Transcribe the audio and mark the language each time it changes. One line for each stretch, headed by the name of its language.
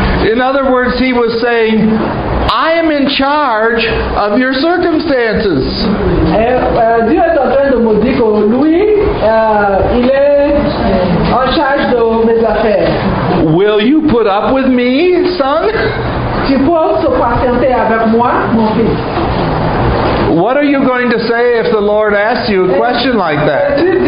English: In other words, he was saying, I am in charge of your circumstances.
French: Dieu est en train de me dire que lui, il est en charge de mes affaires.
English: Will you put up with me, son?
French: Tu peux te patienter avec moi, mon fils.
English: What are you going to say if the Lord asks you a question like that?